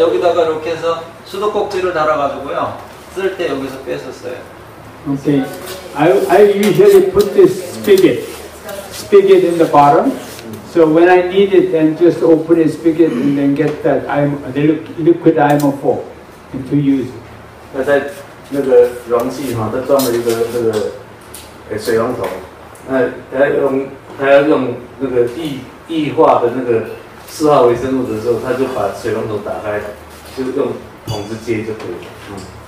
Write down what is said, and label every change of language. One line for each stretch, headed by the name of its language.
Korean: 여기다가 이렇게 해서 수도꼭지를 달아가지고요. 쓸 때 여기서 뺐었어요.
English: Okay, I usually put this spigot in the bottom. So when I need it, then just open the spigot and then get that liquid iron for and to use.
Chinese: 那在那个容器哈，它装了一个那个水龙头。那它要用那个异化的那个四号微生物的时候，它就把水龙头打开，就用桶子接就可以了。